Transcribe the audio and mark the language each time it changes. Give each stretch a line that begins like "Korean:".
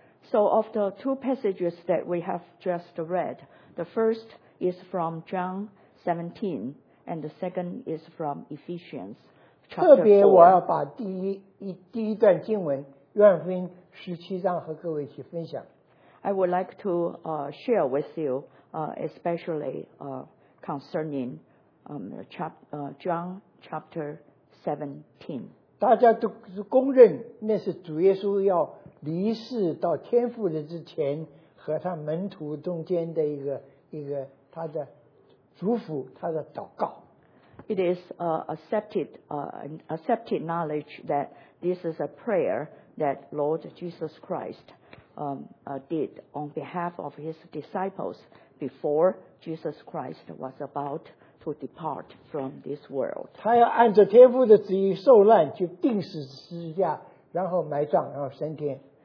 English: So of the two passages that we have just read, the first is from John 17, and the second is from Ephesians chapter 4.
Chinese: 特别我要把第一段经文约翰福音十七章和各位一起分享。
English: I would like to share with you, especially concerning John chapter 17.
Chinese: 大家都公认那是主耶稣要离世到天父的之前和他门徒中间的一个他的嘱咐，他的祷告。
English: It is accepted knowledge that this is a prayer that Lord Jesus Christ did on behalf of his disciples before Jesus Christ was about to depart from this world.
Chinese: 他要按照天父的旨意受难，就钉死十字架，然后埋葬，然后升天。